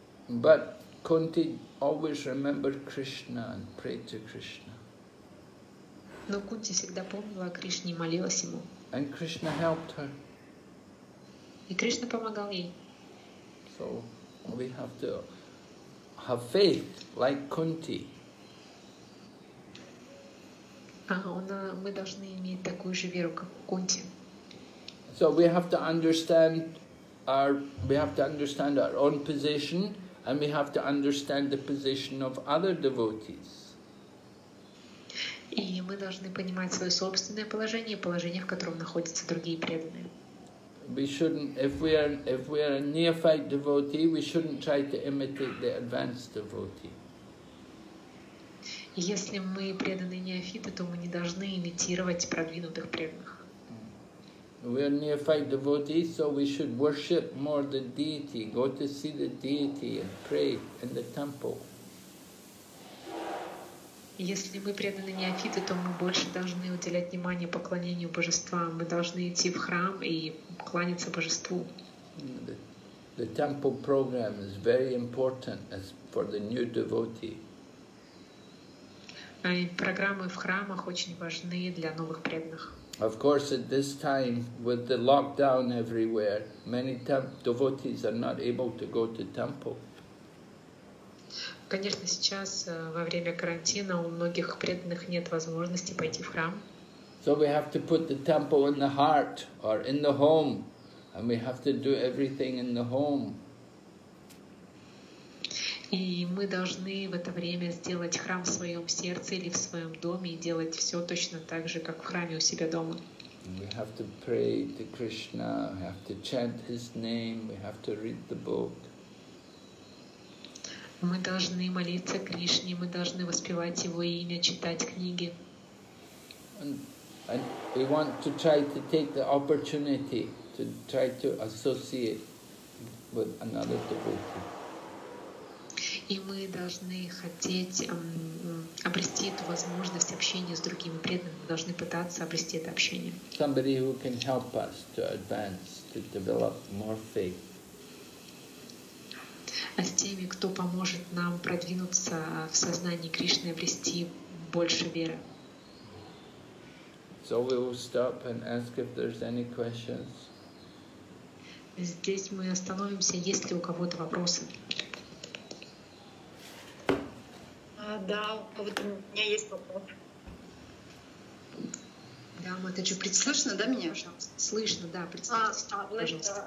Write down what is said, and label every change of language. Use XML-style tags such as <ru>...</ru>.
<en>But Kunti always remembered Krishna and prayed to Krishna.</en> <ru>Но Кунти всегда помнила о Кришне и молилась ему.</ru> <en>And Krishna helped her.</en> <ru>И Кришна помогал ей.</ru> <en>So we have to have faith like Kunti.</en> <ru>Мы должны иметь такую же веру, как Кунти.</ru> <en>So we have to understand our own position, and we have to understand the position of other devotees.</en> <ru>И мы должны понимать свое собственное положение, положение, в котором находятся другие преданные.</ru> <en>We shouldn't, if we are a neophyte devotee, we shouldn't try to imitate the advanced devotee.</en> <ru>Если мы преданные неофиты, то мы не должны имитировать продвинутых преданных.</ru> <en>We are neophyte devotees, so we should worship more the deity, go to see the deity and pray in the temple.</en> <ru>Если мы преданы неофиты, то мы больше должны уделять внимание поклонению божествам. Мы должны идти в храм и кланяться божеству.</ru> <en>The temple program is very important as for the new devotee.</en> <ru>И программы в храмах очень важны для новых преданных.</ru> <en>Of course, at this time, with the lockdown everywhere, many devotees are not able to go to temple.</en> <ru>Конечно, сейчас во время карантина у многих преданных нет возможности пойти в храм.</ru> <en>So we have to put the temple in the heart or in the home, and we have to do everything in the home.</en> <ru>И мы должны в это время сделать храм в своем сердце или в своем доме и делать все точно так же, как в храме у себя дома.</ru> <en>We have to pray to Krishna. We have to chant His name. We have to read the book.</en> <ru>Мы должны молиться Кришне, мы должны воспевать Его имя, читать книги.</ru> <en>And we want to try to take the opportunity to try to associate with another devotee.</en> <ru>И мы должны хотеть обрести эту возможность общения с другими преданными, мы должны пытаться обрести это общение.</ru> <en>Somebody who can help us to advance, to develop more faith.</en> <ru>А с теми, кто поможет нам продвинуться в сознании Кришны, обрести больше веры.</ru> <en>So we will stop and ask if there's any questions.</en> <ru>Здесь мы остановимся, есть ли у кого-то вопросы? Да, вот у меня есть вопрос. Да, Матаджи, слышно, да, меня? Пожалуйста. Слышно, да, пожалуйста.</ru>